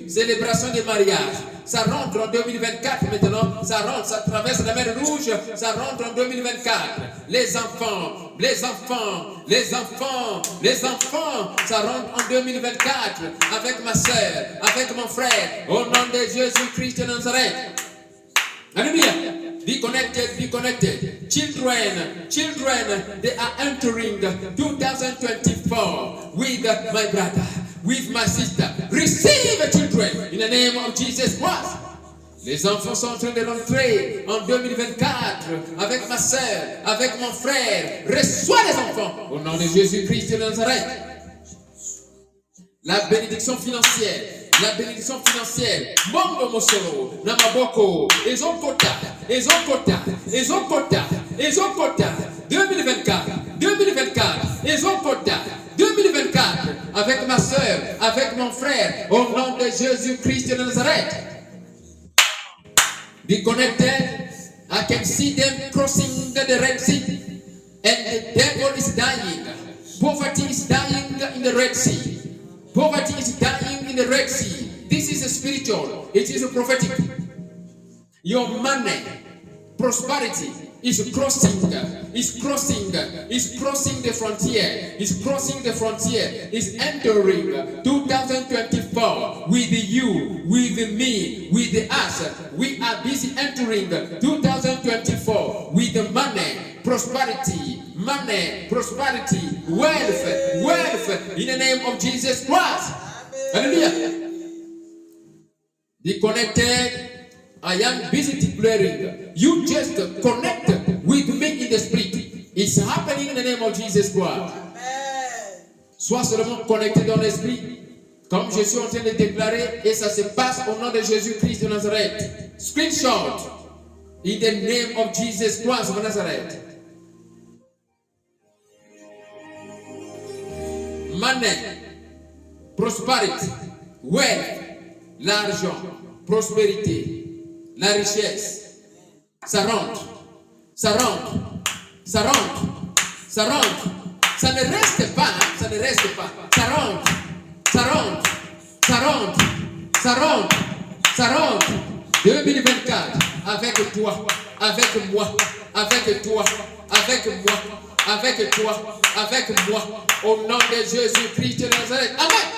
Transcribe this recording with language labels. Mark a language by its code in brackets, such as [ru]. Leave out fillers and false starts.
[fr] Célébration de mariage, ça rentre en 2024 maintenant, ça rentre, ça traverse la mer Rouge, ça rentre en 2024. Les enfants, les enfants, les enfants, les enfants, ça rentre en 2024 avec ma soeur, avec mon frère, au nom de Jésus-Christ de Nazareth. [en] Alléluia. Be connected, be connected. Children, children, they are entering 2024 with my brother, with my sister. Receive children in the name of Jesus Christ. [fr] Les enfants sont en train de rentrer en 2024 avec ma soeur, avec mon frère. Reçois les enfants au nom de Jésus-Christ de Nazareth. La bénédiction financière. La bénédiction financière, [ln] Mongo Mosolo, Namaboko, Ezokota, Ezokota, [fr] Ezokota, Ezokota, 2024, 2024, Ezokota, 2024, avec ma soeur, avec mon frère, au nom de Jésus-Christ de Nazareth. [en] Be connected, I can see them crossing the Red Sea, and the devil is dying, poverty is dying in the Red Sea. Poverty is dying in the Red Sea. This is a spiritual. It is a prophetic. Your money, prosperity, is crossing the frontier. Is crossing the frontier. Is entering 2024 with you, with me, with us. We are busy entering 2024 with the money, prosperity. Money, prosperity, wealth, wealth, in the name of Jesus Christ. Hallelujah. Be connected. I am busy declaring. You just connect with me in the spirit. It's happening in the name of Jesus Christ. [fr] Sois seulement connecté dans l'esprit. Comme je suis en train de déclarer, et ça se passe au nom de Jésus Christ de Nazareth. [en] Screenshot. In the name of Jesus Christ of Nazareth. Money, prosperity, wealth, [fr] l'argent, prospérité, la richesse, ça rentre, ça rentre, ça rentre, ça rentre, ça ne reste pas, ça ne reste pas, ça rentre, ça rentre, ça rentre, ça rentre, ça rentre, 2024, avec toi, avec moi, avec toi, avec moi, avec toi, avec moi, au nom de Jésus-Christ de Nazareth. Amen. Amen.